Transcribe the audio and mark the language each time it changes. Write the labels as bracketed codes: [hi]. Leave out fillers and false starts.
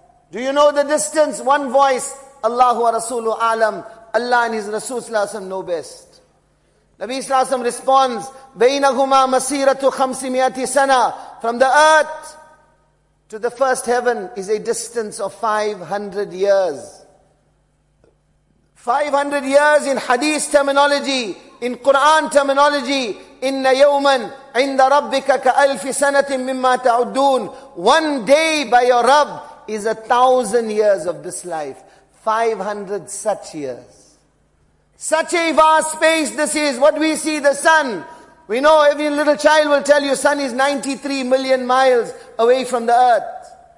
[en] Do you know the distance? One voice, [ar] Allahu wa Rasulu Alam, [en] Allah and His Rasul sallallahu alayhi wa sallam know best. Nabi sallallahu alayhi wa sallam responds, [ar] بَيْنَهُمَا مَسِيرَةُ خَمْسِمِيَةِ سَنَةً. [en] From the earth to the first heaven is a distance of 500 years. 500 years in hadith terminology, in Quran terminology, [ar] إِنَّ يَوْمًا عِنْدَ رَبِّكَ كَأَلْفِ سَنَةٍ مِمَّا تَعُدُّونَ. [en] One day by your Rabb is 1,000 years of this life. 500 such years. Such a vast space this is. What we see, the sun. We know every little child will tell you sun is 93 million miles away from the earth.